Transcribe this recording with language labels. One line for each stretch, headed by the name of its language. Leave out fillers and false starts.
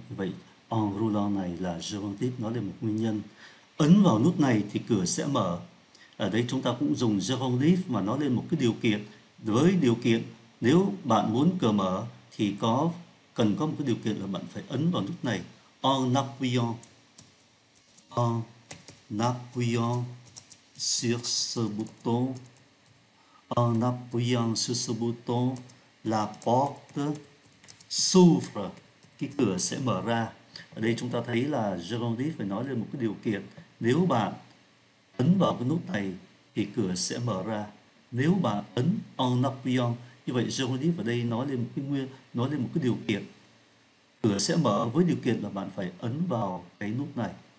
Vietnamese: Vậy
French: en roulant
Vietnamese: này là gérondif nói lên một nguyên nhân. Ấn vào nút này thì cửa sẽ mở. Ở đây chúng ta cũng dùng gérondif mà nói lên một cái điều kiện. Với điều kiện nếu bạn muốn cửa mở thì cần có một cái điều kiện là bạn phải ấn vào nút này.
French: En appuyant. En appuyant sur ce bouton. En appuyant sur ce bouton, la porte s'ouvre.
Vietnamese: Cái cửa sẽ mở ra. Ở đây chúng ta thấy là gérondif phải nói lên một cái điều kiện. Nếu bạn ấn vào cái nút này thì cửa sẽ mở ra. Nếu bạn ấn
French: en appuyant,
Vietnamese: như vậy gérondif ở đây nói lên một cái điều kiện. Cửa sẽ mở với điều kiện là bạn phải ấn vào cái nút này.